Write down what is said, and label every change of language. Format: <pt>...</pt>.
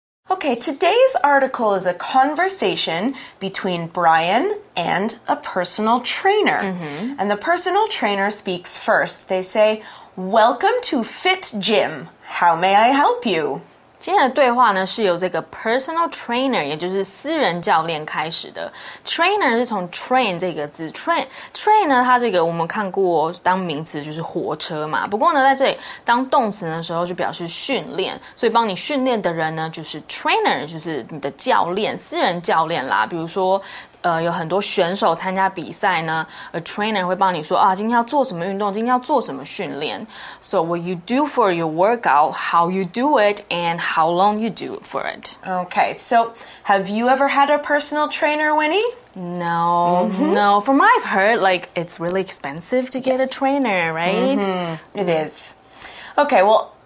<en>Okay, today's article is a conversation between Brian and a personal trainer. Mm-hmm. And the personal trainer speaks first. They say, Welcome to Fit Gym. How may I help you?</en> <zh>今天的对话呢是由这个 personal trainer 也就是私人教练开始的 trainer 是从 train 这个字 train 呢它这个我们看过当名词就是火车嘛不过呢在这里当动词的时候就表示训练所以帮你训练的人呢就是 trainer 就是你的教练私人教练啦比如说有很多选手参加比赛呢 ，a trainer 会帮你说啊，今天要做什么运动，今天要做什么训练。</zh> <en>So what you do for your workout, how you do it, and how long you do for it. Okay, so have you ever had a personal trainer, Winnie? No. From what I've heard, like it's really expensive to get a trainer, right? Mm-hmm. It is. Okay, well.</en>